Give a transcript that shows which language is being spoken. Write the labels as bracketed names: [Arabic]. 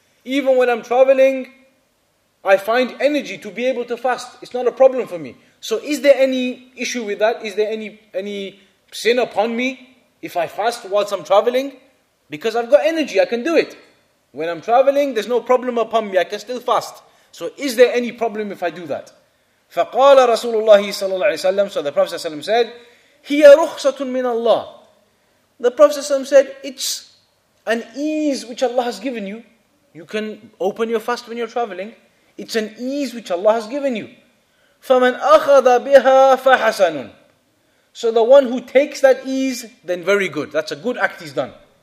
[English] Even when I'm traveling, I find energy to be able to fast. It's not a problem for me. So is there any issue with that? Is there any sin upon me if I fast whilst I'm traveling? Because I've got energy, I can do it. When I'm traveling, there's no problem upon me. I can still fast. So is there any problem if I do that? [Arabic] فقال رسول الله صلى الله عليه وسلم. [English] So the Prophet ﷺ said, [Arabic] هي رخصة من الله. [English] The Prophet ﷺ said, it's an ease which Allah has given you. You can open your fast when you're traveling. It's an ease which Allah has given you. [Arabic] فمن أخذ بها فحسن. [English] So the one who takes that ease, then very good. That's a good act he's done.